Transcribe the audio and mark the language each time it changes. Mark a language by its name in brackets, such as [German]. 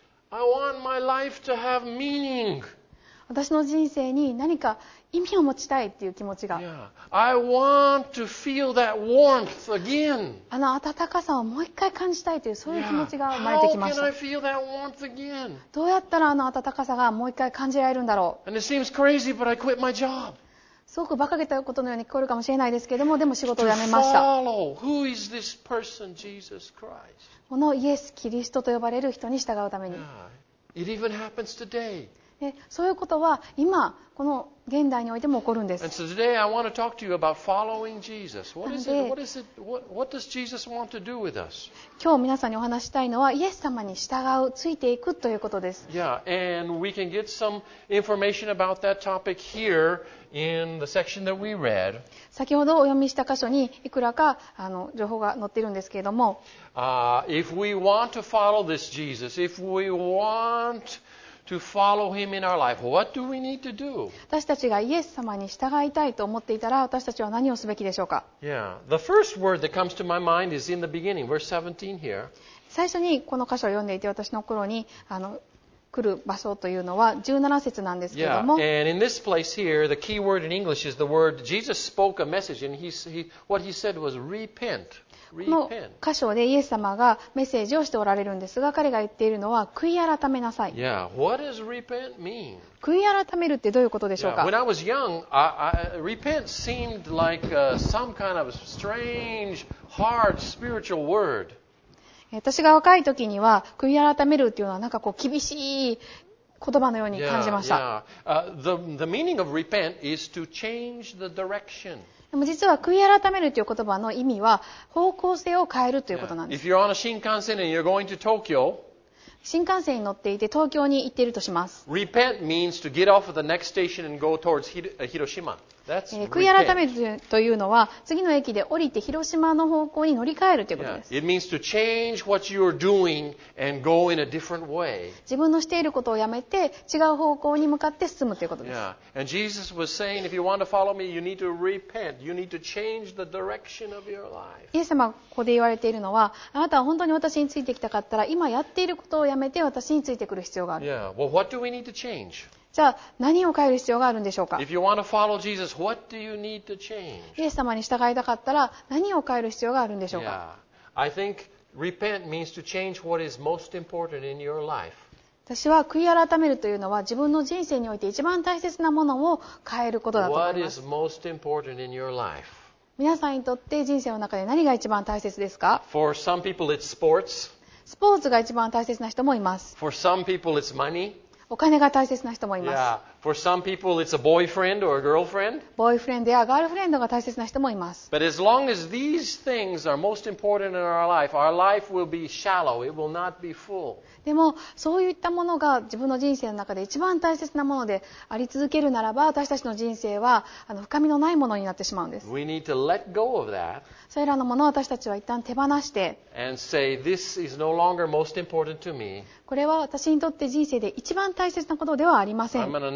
[English] I want my life to have meaning. [Japanese] 私の人生に何か意味を持ちたいっていう気持ちが。 [English] Yeah. I want to feel that warmth again. [Japanese] あの温かさをもう一回感じたいというそういう気持ちが生まれてきました。 [English] Yeah. How can I feel that warmth again? [Japanese] どうやったらあの温かさがもう一回感じられるんだろう。 [English] And it seems crazy, but I quit my job. [Japanese] すごく馬鹿げたことのように聞こえるかもしれないですけれども、でも仕事を辞めました。 [English] To follow who is this person, Jesus Christ? [Japanese] このイエス・キリストと呼ばれる人に従うために。 [English] It even happens today. [Japanese] そういうことは今、この現代においても起こるんです。 [English] And so today I want to talk to you about following Jesus. What does Jesus want to do with us? [Japanese] 今日皆さんにお話したいのは、イエス様に従う、ついていくということです。 [English] Yeah, and we can get some information about that topic here in the section that we read. [Japanese] 先ほどお読みした箇所にいくらか情報が載っているんですけれども、 [English] If we want to follow this Jesus, if we want to follow him in our life, what do we need to do? [Japanese] 私たちがイエス様に従いたいと思っていたら、私たちは何をすべきでしょうか? [English] Yeah, the first word that comes to my mind is in the beginning, verse 17 here. [Japanese] 最初にこの箇所を読んでいて、私の頃に来る場所というのは17節なんですけれども、 [English] yeah, and in this place here, the key word in English is the word Jesus spoke a message, and what he said was repent. [Japanese] この箇所でイエス様がメッセージをしておられるんですが、彼が言っているのは悔い改めなさい。 [English] Yeah. What does repent mean? [Japanese] 悔い改めるってどういうことでしょうか? [English] Yeah. When I was young, repent seemed like some kind of strange, hard spiritual word. [Japanese] 私が若い時には悔い改めるっていうのはなんかこう厳しい言葉のように感じました。 [English] Yeah. The meaning of repent is to change the direction. [Japanese] でも実は悔い改めるという言葉の意味は方向性を変えるということなんです。 [English] If you're on a 新幹線 and you're going to Tokyo, [Japanese] 新幹線に乗っていて東京に行っているとします。 [English] Repent means to get off of the next station and go towards Hiroshima. That's repent. [Japanese] 悔い改めるというのは次の駅で降りて広島の方向に乗り換えるということです。 [English] Yeah. It means to change what you're doing and go in a different way. [Japanese] 自分のしていることをやめて違う方向に向かって進むということです。 [English] Yeah. And Jesus was saying, if you want to follow me, you need to repent. You need to change the direction of your life. [Japanese] イエス様がここで言われているのは、あなたは本当に私についてきたかったら、今やっていることをやめて私についてくる必要がある。 [English] Yeah. Well, what do we need to change? [Japanese] じゃあ何を変える必要があるんでしょうか。 [English] If you want to follow Jesus, what do you need to change? [Japanese] イエス様に従いたかったら何を変える必要があるんでしょうか。 [English] Yeah. I think repent means to change what is most important in your life. [Japanese] 私は悔い改めるというのは自分の人生において一番大切なものを変えることだと思います。 [English] What is most important in your life? [Japanese] 皆さんにとって人生の中で何が一番大切ですか。 [English] For some people, it's sports. [Japanese] スポーツが一番大切な人もいます。 [English] For some people, it's money. [Japanese] お金が大切な人もいます。 [English] Yeah. For some people, it's a boyfriend or a girlfriend. [Japanese] ボーイフレンドやガールフレンドが大切な人もいます。 [English] But as long as these things are most important in our life will be shallow. It will not be full. [Japanese] でも、そういったものが自分の人生の中で一番大切なものであり続けるならば、私たちの人生は深みのないものになってしまうんです。 [English] We need to let go of that. [Japanese] それらのものを私たちは一旦手放して、 [English] and say, this is no longer most important to me. [Japanese] これは私にとって人生で一番大切なことではありません。